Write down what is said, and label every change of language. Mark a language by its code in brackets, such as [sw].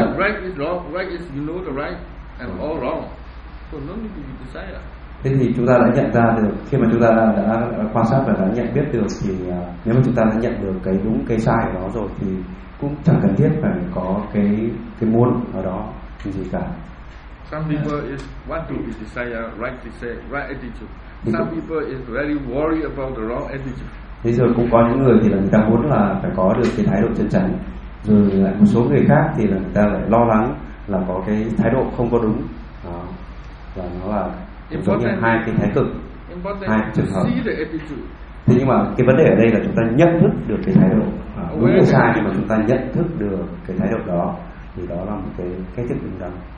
[en] right is wrong, right is you know the right and all wrong. So no need to desire. [vi] Thế thì chúng ta đã nhận ra được, khi mà chúng ta đã quan sát và đã nhận biết được, thì nếu mà chúng ta đã nhận được cái đúng cái sai ở đó rồi thì cũng chẳng cần thiết phải có cái muốn ở đó cái gì cả. [en] Some people is want to be desire, right to say, right attitude. Some people is very worried about the wrong attitude. [vi] Thế rồi cũng có những người thì là người ta muốn là phải có được cái thái độ chân chắn, rồi lại một số người khác thì là người ta lại lo lắng là có cái thái độ không có đúng đó. Và nó là giống như hai cái thái cực, hai trường hợp. Thế nhưng mà cái vấn đề ở đây là chúng ta nhận thức được cái thái độ đúng hay sai, nhưng mà chúng ta nhận thức được cái thái độ đó thì đó là một cái cách thức đúng đắn.